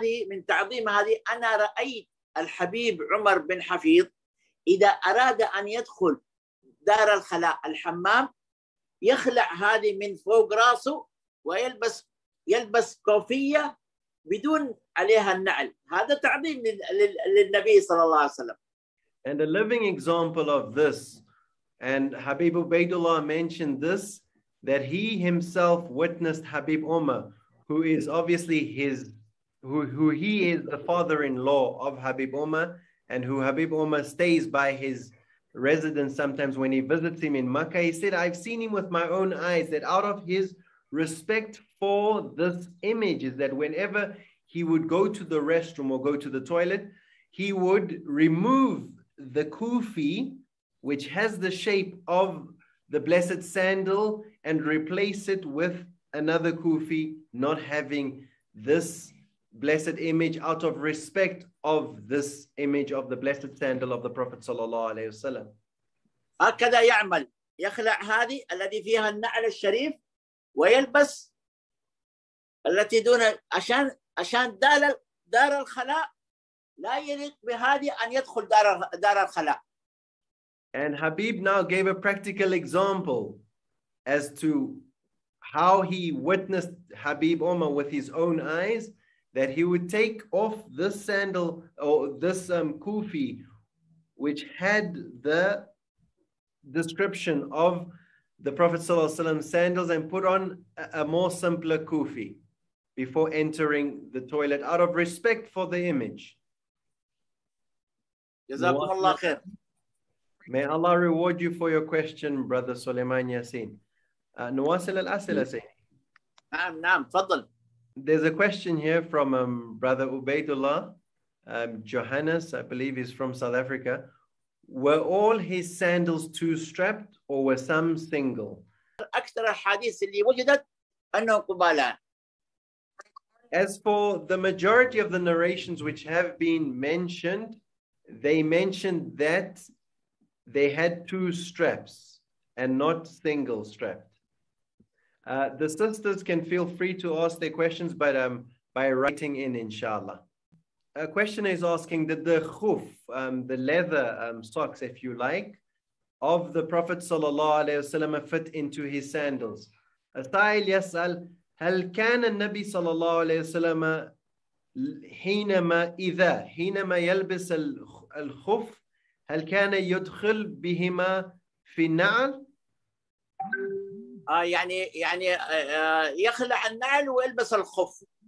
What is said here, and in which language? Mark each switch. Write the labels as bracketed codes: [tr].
[ar] من تعظيم هذه أنا رأيت الحبيب عمر بن حفيظ إذا أراد أن يدخل دار الخلاء الحمام يخلع هذه من فوق راسه ويلبس كوفية بدون عليها النعل. هذا تعظيم للنبي صلى الله عليه وسلم. [en] And a living example of this, and Habib Ubaydullah mentioned this, that he himself witnessed Habib Umar, who is obviously who he is the father-in-law of Habib Umar, and who Habib Umar stays by his residence sometimes when he visits him in Makkah. He said, I've seen him with my own eyes, that out of his respect for this image is that whenever he would go to the restroom or go to the toilet, he would remove the kufi, which has the shape of the blessed sandal, and replace it with another kufi, not having this blessed image, out of respect of this image of the blessed sandal of the Prophet sallallahu alaihi wasallam. [ar] هكذا يعمل يخلع هذه الذي فيها النعل الشريف ويلبس التي دون عشان دار الخلاء لا يليق بهذه أن يدخل دار الخلاء. [en] And Habib now gave a practical example as to how he witnessed Habib Umar with his own eyes, that he would take off this sandal or this kufi, which had the description of the Prophet sallallahu alaihi wasallam sandals, and put on a more simpler kufi before entering the toilet out of respect for the image. [ar] جزاكم الله خير. [en] May Allah reward you for your question, Brother Suleiman Yasin. [ar] نواصل الأسئلة سيدي. نعم تفضل. [en] There's a question here from Brother Ubaydullah. Johannes, I believe, is from South Africa. Were all his sandals two-strapped or were some single? [ar] أكثر الحديث اللي وجدت أنه قبالان. [en] As for the majority of the narrations which have been mentioned, they mentioned that they had two straps and not single strapped. The sisters can feel free to ask their questions, but by writing in, inshallah. A question is asking, did the khuf, the leather socks, if you like, of the Prophet sallallahu alayhi wasallam fit into his sandals? [ar] Athail yas'al, هل كان النبي صلى الله عليه وسلم حينما إذا حينما يلبس الخف هل كان يدخل بهما في النعل؟ يعني يخلع النعل ويلبس الخف.